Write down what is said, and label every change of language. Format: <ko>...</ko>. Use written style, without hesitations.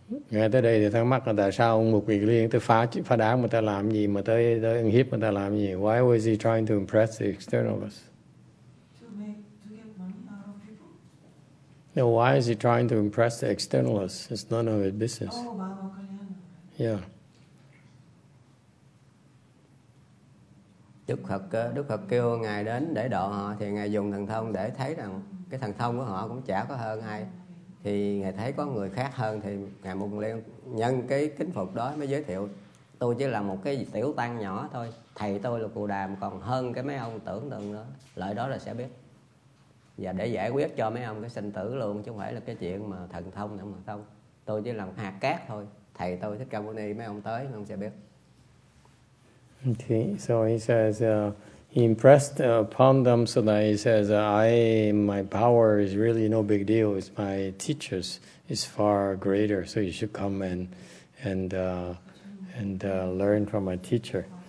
<vi>Ngay tới đây thì thắc mắc là tại sao ông Mục Kỳ Liên tới phá đám mà ta làm gì, mà tới ưng hiếp mà ta làm gì?</vi> <en>Why was he trying to impress the externalist? To get money out of people? Now, why is he trying to impress the externalist? It's none of his business. Oh, Mahabhagrayana. Yeah.</en> <vi>Đức Phật kêu Ngài đến để độ họ, thì Ngài dùng thần thông để thấy rằng cái thần thông của họ cũng chả có hơn ai. Thì Ngài thấy có người khác hơn, thì Ngài Mục Liên nhân cái kính phục đó mới giới thiệu: tôi chỉ là một cái tiểu tăng nhỏ thôi, thầy tôi là Cù Đàm còn hơn cái mấy ông tưởng tượng nữa, lợi đó là sẽ biết. Và để giải quyết cho mấy ông cái sinh tử luôn, chứ không phải là cái chuyện mà thần thông nữa mà không. Tôi chỉ là một hạt cát thôi, thầy tôi Thích Ca Mâu Ni, mấy ông tới, mấy ông sẽ biết.</vi> <en>So he says, he impressed upon them so that he says, my power is really no big deal. It's my teachers is far greater. So you should come and learn from my teacher.</en>